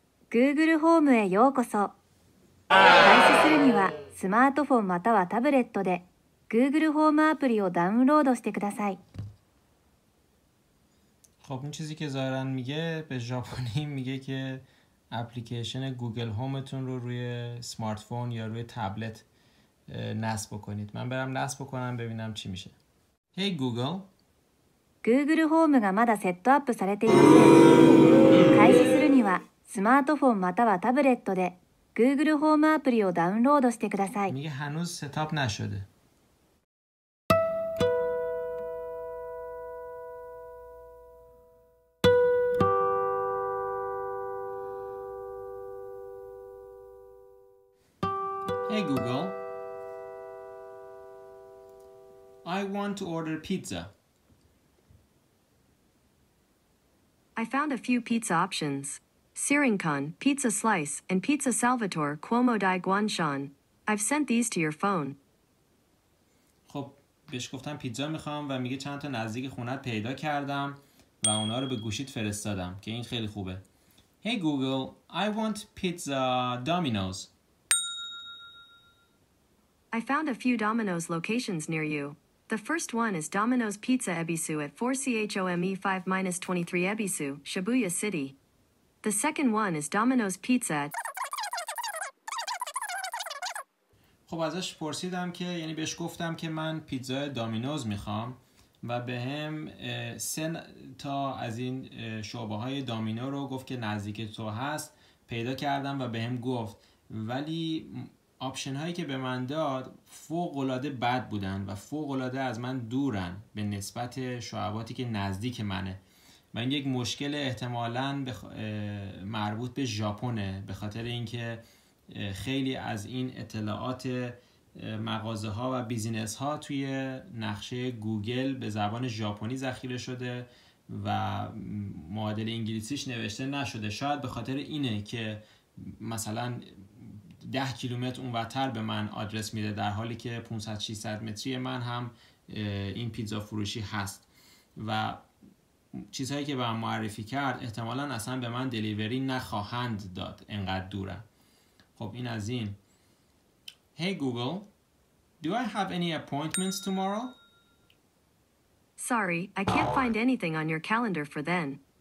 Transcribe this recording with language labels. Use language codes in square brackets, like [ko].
[fa] گوگل هومه [ja] ようこそ. 開始するにはスマートフォンまたはタブレットで Google Home [fa] اپلی رو دانلود [ja] してください. [fa] خب این چیزی که ظاهرن میگه به ژاپنی میگه که اپلیکیشن گوگل هومتون رو روی سمارت فون یا روی تبلت نصب کنید. من برم نصب کنم ببینم چی میشه. هی گوگل. [ja] Google Home がまだセットアップされていません。開始するにはスマートフォンまたはタブレットで Google Home [fa] اپلی رو دانلود [ja] してください。 [fa] میگه هنوز ستاپ نشده. [en] Hey Google, I want to order pizza. I found a few pizza options. Sirinkan, Pizza Slice, and Pizza Salvatore Cuomo di Guanshan. I've sent these to your phone. [fa] خب بهش گفتم پیتزا میخوام و میگه چند تا نزدیک خونت پیدا کردم و اونا رو به گوشیت فرستادم، که این خیلی خوبه. [en] Hey Google, I want pizza Domino's. I found a few Domino's locations near you. The first one is Domino's Pizza Ebisu at 4CHOME 5-23 Ebisu, Shibuya City. The second one is Domino's Pizza at... [fa] خب ازش پرسیدم که، یعنی بهش گفتم که من پیتزا دامینوز میخوام و به هم سه تا از این شعبه های دامینو رو گفت که نزدیک تو هست پیدا کردم و به هم گفت، ولی آپشن هایی که به من داد فوق العاده بد بودن و فوق العاده از من دورن به نسبت شعباتی که نزدیک منه. من یک مشکل احتمالاً مربوط به ژاپنه، به خاطر اینکه خیلی از این اطلاعات مغازه ها و بیزینس ها توی نقشه گوگل به زبان ژاپنی ذخیره شده و معادل انگلیسیش نوشته نشده. شاید به خاطر اینه که مثلا 10 کیلومتر اونورتر به من آدرس میده، در حالی که 500-600 متری من هم این پیتزا فروشی هست. و چیزهایی که به من معرفی کرد احتمالاً اصلا به من دلیوری نخواهند داد، انقدر دوره. خب این از این. [en] Hey Google, do I have any appointments tomorrow? Sorry, I can't find anything on your calendar for then.